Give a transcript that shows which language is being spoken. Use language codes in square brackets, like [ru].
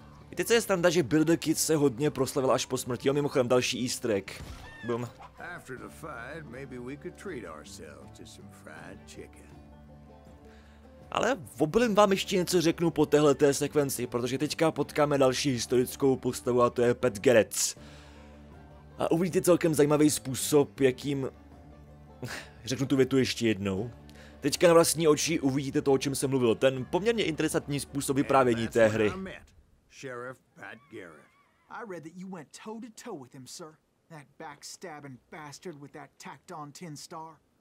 [cs] Víte, co je standa, že Billy the Kid se hodně proslavil až po smrti, jo, mimochodem další easter egg. Boom. [en] After the fight, maybe we could treat ourselves to some fried chicken. [cs] Ale oblím vám ještě něco řeknu po téhleté sekvenci, protože teďka potkáme další historickou postavu a to je Pat Garrett. A uvidíte celkem zajímavý způsob, jakým... řeknu tu větu ještě jednou. Teďka na vlastní oči uvidíte to, o čem jsem mluvil. Ten poměrně interesantní způsob vyprávění té hry. [en] Sheriff Pat Garrett. I read that you went toe-to-toe with him, sir. That backstabbing bastard with that tacked-on tin star.